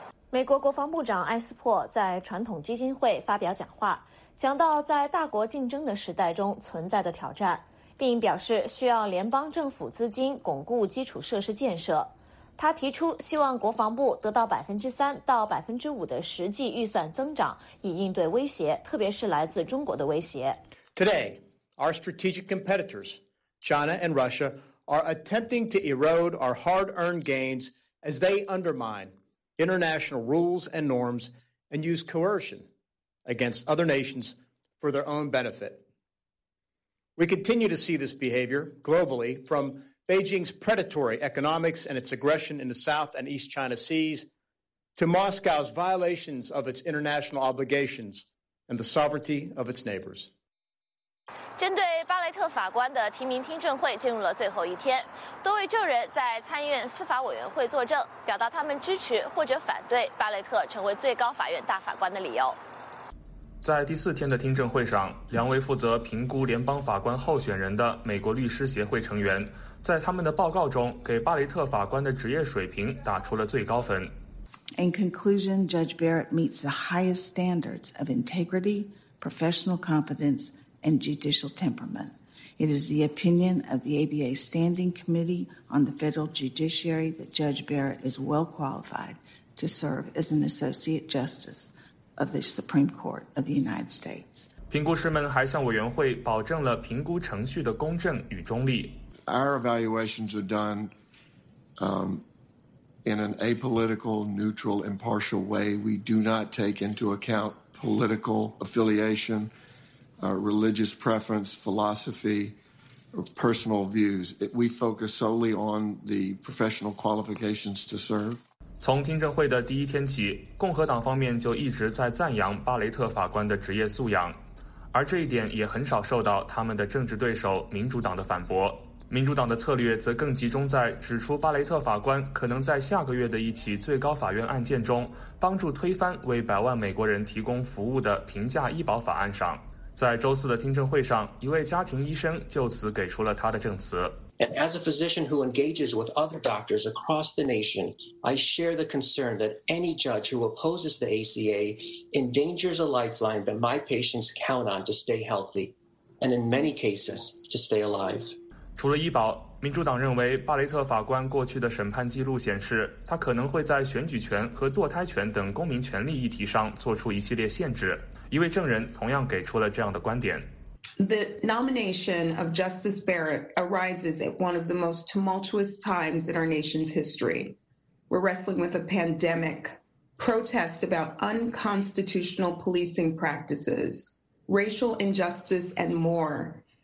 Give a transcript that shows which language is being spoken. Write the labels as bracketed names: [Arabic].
[Chinese] 美国国防部长埃斯珀在传统基金会发表讲话，讲到在大国竞争的时代中存在的挑战，并表示需要联邦政府资金巩固基础设施建设。他提出希望国防部得到3%到5%的实际预算增长，以应对威胁，特别是来自中国的威胁。 [English] Today, our strategic competitorsChina and Russia are attempting to erode our hard-earned gains as they undermine international rules and norms and use coercion against other nations for their own benefit. We continue to see this behavior globally from Beijing's predatory economics and its aggression in the South and East China Seas to Moscow's violations of its international obligations and the sovereignty of its neighbors. [Chinese] 针对巴雷特法官的提名听证会进入了最后一天，多位证人在参议院司法委员会作证，表达他们支持或者反对巴雷特成为最高法院大法官的理由。在第四天的听证会上，两位负责评估联邦法官候选人的美国律师协会成员在他们的报告中给巴雷特法官的职业水平打出了最高分。 [English] In conclusion, Judge Barrett meets the highest standards of integrity, professional competence, and judicial temperament. It is the opinion of the ABA Standing Committee on the Federal Judiciary that Judge Barrett is well qualified to serve as an Associate Justice of the Supreme Court of the United States. [Chinese] 评估师们还向委员会保证了评估程序的公正与中立。 [English] Our evaluations are done in an apolitical, neutral, impartial way. We do not take into account political affiliation, religious preference, philosophy, or personal views. We focus solely on the professional qualifications to serve. [Chinese] 从听证会的第一天起，共和党方面就一直在赞扬巴雷特法官的职业素养，而这一点也很少受到他们的政治对手民主党的反驳。民主党的策略则更集中在指出巴雷特法官可能在下个月的一起最高法院案件中帮助推翻为百万美国人提供服务的平价医保法案上。在周四的听证会上，一位家庭医生就此给出了他的证词。 [English] And as a physician who engages with other doctors across the nation, I share the concern that any judge who opposes the ACA endangers a lifeline that my patients count on to stay healthy, and in many cases, to stay alive. [Chinese] 除了医保，民主党认为巴雷特法官过去的审判记录显示，他可能会在选举权和堕胎权等公民权利议题上做出一系列限制。一位证人同样给出了这样的观点。 [English] The nomination of Justice Barrett arises at one of the most tumultuous times in our nation's history. We're wrestling with a pandemic, protests about unconstitutional policing practices, racial injustice, and more.